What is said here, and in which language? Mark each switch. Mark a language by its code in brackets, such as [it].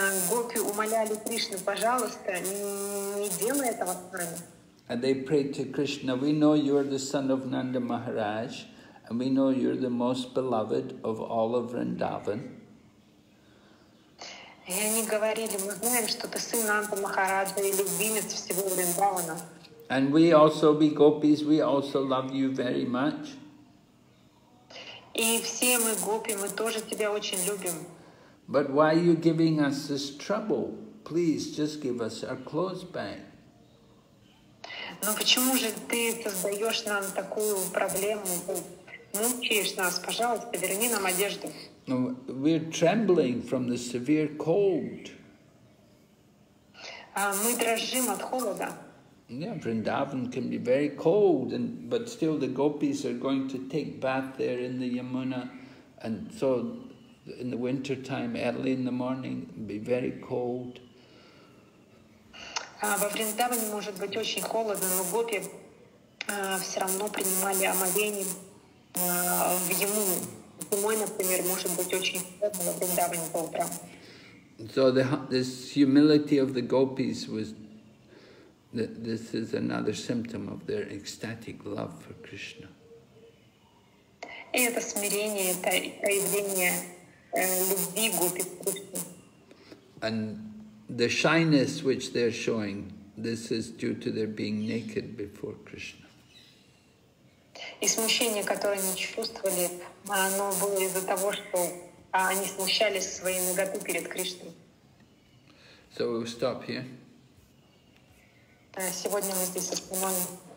[ru] гопи умоляли Кришну, пожалуйста, не делай этого с нами. [en] And they prayed to Krishna, we know you are the son of Nanda Maharaj, and we know you're the most beloved of all of Vrindavan. [ru] И они говорили, мы знаем, что ты сын Нанда Махараджа и любимец всего Вриндавана. [en] And we also, we gopis, we also love you very much. [ru] И все мы гопи, мы тоже тебя очень любим. [en] But why are you giving us this trouble? Please just give us our clothes back. [ru] Но почему же ты создаешь нам такую проблему, мучаешь нас? Пожалуйста, верни нам одежду. [en] No, we're trembling from the severe cold. [ru] Мы дрожим от холода. [en] Yeah, Vrindavan can be very cold, and but still the gopis are going to take bath there in the Yamuna, and so in the winter time, early in the morning, it'll be very cold. [ru] Во Вриндаване может быть очень холодно, но гопи все равно принимали омовение в Ямуну. Зимой, например, может быть очень холодно во Вриндаване по утрам. [en] So this humility of the gopis was, this is another symptom of their ecstatic love for Krishna. [ru] И это смирение, это проявление любви гопи к Кришне. [en] And the shyness which they are showing, this is due to their being naked before Krishna. [ru] И смущение, которое они чувствовали, оно было из-за того, что они смущались своей наготы перед Кришной. [en] So we'll stop here. [ru] Сегодня мы здесь остановим.